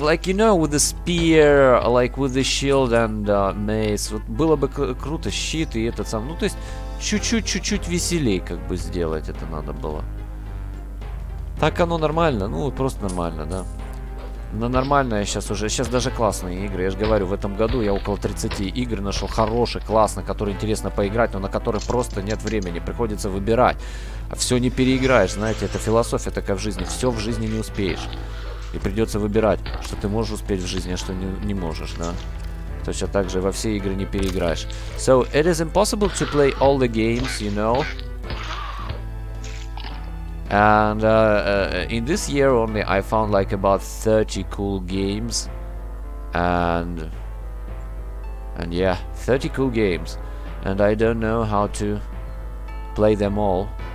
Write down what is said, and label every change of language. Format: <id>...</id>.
<en>Like, you know, with the spear, like, with the shield and mace.</en> <ru>Вот было бы круто, щит и этот сам. Ну, то есть, чуть-чуть веселей, как бы, сделать это надо было. Так оно нормально. Ну, просто нормально, да. Но нормально я сейчас уже. Сейчас даже классные игры. Я же говорю, в этом году я около 30 игр нашел хороших, классных, которые интересно поиграть, но на которых просто нет времени. Приходится выбирать. А все не переиграешь, знаете, это философия такая в жизни. Все в жизни не успеешь. И придется выбирать, что ты можешь успеть в жизни, а что не можешь, да? Точно так же во все игры не переиграешь.</ru> <en>So, it is impossible to play all the games, you know? And in this year only I found like about 30 cool games and yeah, 30 cool games and I don't know how to play them all.</en>